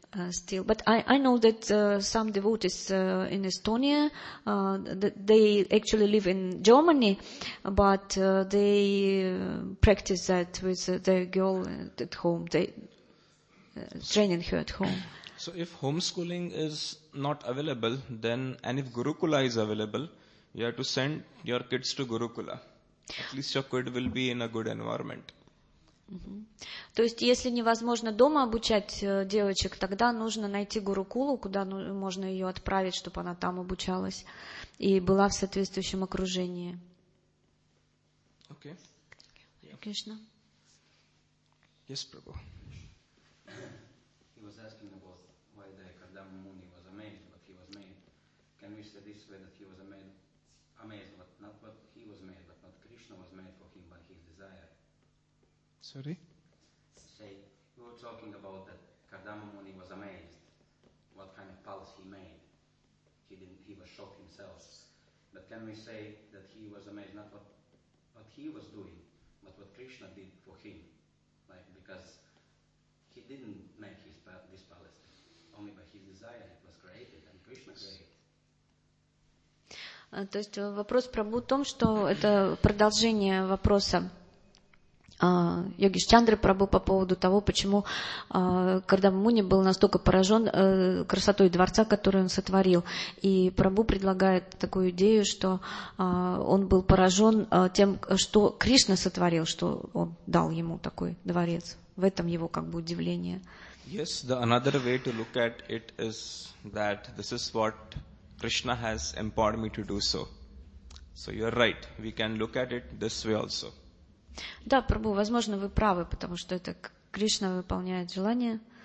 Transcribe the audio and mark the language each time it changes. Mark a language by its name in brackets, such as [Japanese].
[English] Still, but I know that some devotees in Estonia, they actually live in Germany, but they practice that with their girl at home, they training her at home. So if homeschooling is not available, then, and if Gurukula is available, you have to send your kids to Gurukula. At least your kid will be in a good environment. [Russian] То есть, если невозможно дома обучать девочек, тогда нужно найти гурукулу, куда можно ее отправить, чтобы она там обучалась и была в соответствующем окружении. Окей. Кришна. [English] Yes, Prabhu. He was asking about why the Kardama Muni was amazed, but he was made. Can we say this way that he was amazed, but not what he was made, but not Krishna was made for him by his desire? Sorry? Say, you were talking about that Kardama Muni was amazed, what kind of pulse he made. He was shocked himself. But can we say that he was amazed not what he was doing, but what Krishna did for him? Like, because he didn't make this palace. Only by his desire it was created, and Krishna created. [Russian] То есть вопрос Прабху в том, что это продолжение вопроса Йогиш Чандры Прабху по поводу того, почему Кардама Муни был настолько поражен красотой дворца, который он сотворил. И Прабху предлагает такую идею, что он был поражен тем, что Кришна сотворил, что он дал ему такой дворец. В этом его как бы удивление. [English] Yes, the another way to look at it is that this is what Krishna has empowered me to do so. So you're right, we can look at it this way also. [Russian] Да, Прабху, возможно, вы правы, потому что это Кришна выполняет желание.